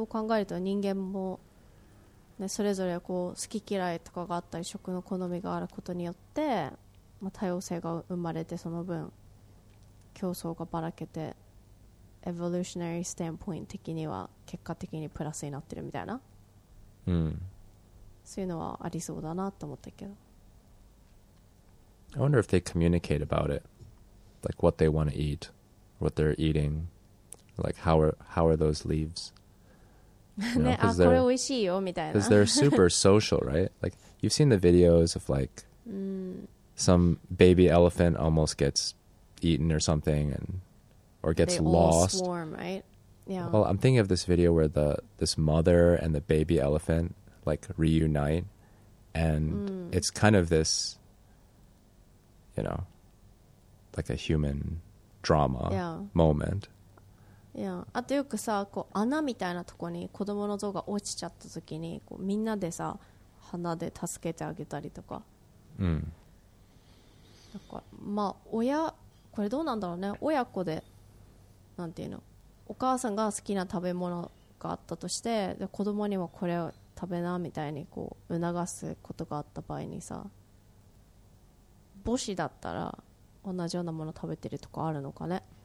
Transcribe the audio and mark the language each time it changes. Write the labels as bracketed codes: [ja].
[ja] そう考えると人間もね、それぞれこう好き嫌いとかがあったり食の好みがあることによって、まあ、多様性が生まれてその分競争がばらけてエボリューショナリースタンポイント的には結果的にプラスになってるみたいな、うん、そういうのはありそうだなと思ったけど [en] I wonder if they communicate about it like what they want to eat what they're eating like how are those leaves You know, [ja] ね、あ、これ美味しいよみたいな。 [en] Cause they're super social, right? Like, you've seen the videos of like、 [ja] うん、 [en] some baby elephant almost gets eaten or something and, or gets lost. They all swarm, right? Yeah. Well, I'm thinking of this video where this mother and the baby elephant like reunite and、うん、it's kind of this, you know, like a human drama、 yeah. moment. [ja] いやあとよくさこう穴みたいなとこに子供の像が落ちちゃった時にこうみんなでさ鼻で助けてあげたりとか、うん、なんかまあ親これどうなんだろうね親子でなんていうのお母さんが好きな食べ物があったとしてで子供にもこれを食べなみたいにこう促すことがあった場合にさ母子だったら同じようなもの食べてるとかあるのかね